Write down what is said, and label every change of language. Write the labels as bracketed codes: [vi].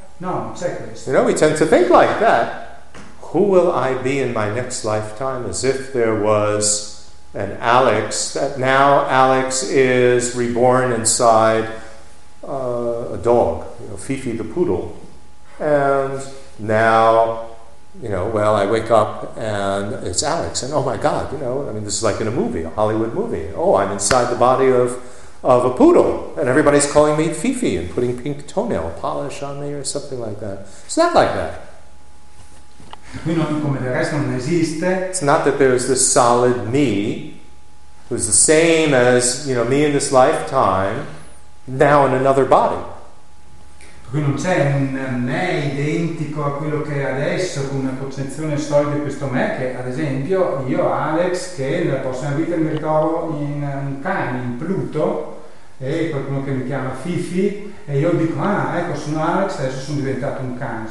[it] No, non c'è questo. [en] You know, we tend to think like that. Who will I be in my next lifetime as if there was and Alex, that now Alex is reborn inside a dog, you know, Fifi the poodle. And now, you know, well, I wake up and it's Alex. And oh my God, you know, I mean, this is like in a movie, a Hollywood movie. Oh, I'm inside the body of a poodle. And everybody's calling me Fifi and putting pink toenail polish on me or something like that. It's not like that. [it] Qui non, come del resto non esiste. [en] It's not that there's this solid me who's the same as, you know, me in this lifetime now in another body. [it] Qui non c'è un me identico a quello che è adesso con una concezione solida di questo me che ad esempio io Alex che nella prossima vita mi ritrovo in un cane, in Pluto e qualcuno che mi chiama Fifi e io dico ecco sono Alex adesso sono diventato un cane.